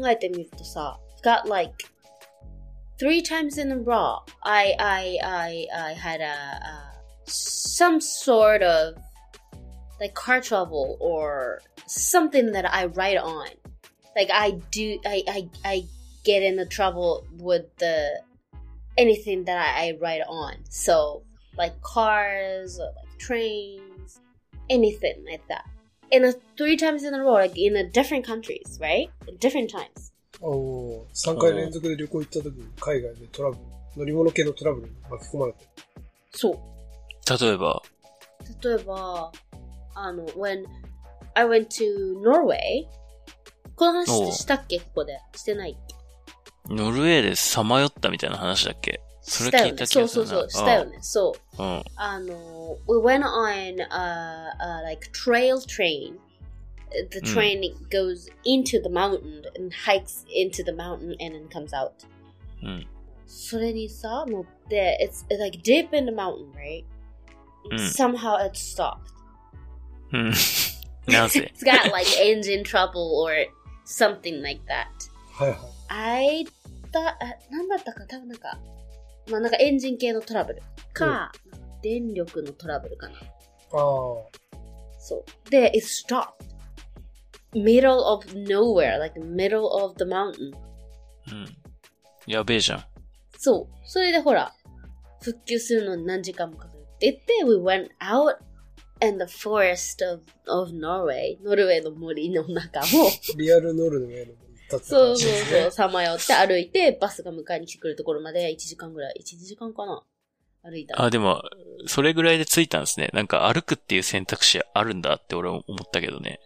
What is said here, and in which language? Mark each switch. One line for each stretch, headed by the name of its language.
Japanese: 考えてみるとさ、
English: got like, three times in a row, I had a some sort of like car trouble or something that I ride on. Like I get in the trouble with the anything that I ride on. So like cars or like trains, anything like that. And three times in a row, like in a different countries, right? Different times.
Japanese: Oh, 3回連続で旅行行った時に海外でトラブル、乗り物系のトラブルに巻き込まれて。そう。例えば、あの、
English: when I went to Norway,
Japanese: この話したっけ、ここで。してない。ノルウェーでさまよったみたいな話だっけ。それ聞いた気がするな。そうそうそう、したよね。そう。あの、
English: we went on like trail train. The train goes into the mountain and hikes into the mountain and then comes out.
Japanese: それにさ、乗って、
English: it's like deep in the mountain, right?、Somehow it stopped.
Japanese: なぜ?
English: It's got like engine trouble or something like that.
Japanese: はいはい。
English: I thought,
Japanese: 何だったか、多分なんか、まあなんかエンジン系のトラブルか、電力のトラブルかな。ああ。そう。で、
English: it stopped. Middle of nowhere, like middle of the mountain.
Japanese: やべえじゃん。そう。それでほら、復旧するのに何時間もかかる。
English: で、で、we went out in the forest of Norway.
Japanese: ノルウェーの森の中も。リアルノルウェーの森だった。そうそうそう。さまよって歩いて、バスが迎えに来てくるところまで1時間ぐらい。 1時間かな。歩いた。あ、でも、それぐらいで着いたんですね。なんか歩くっていう選択肢あるんだって俺思ったけどね。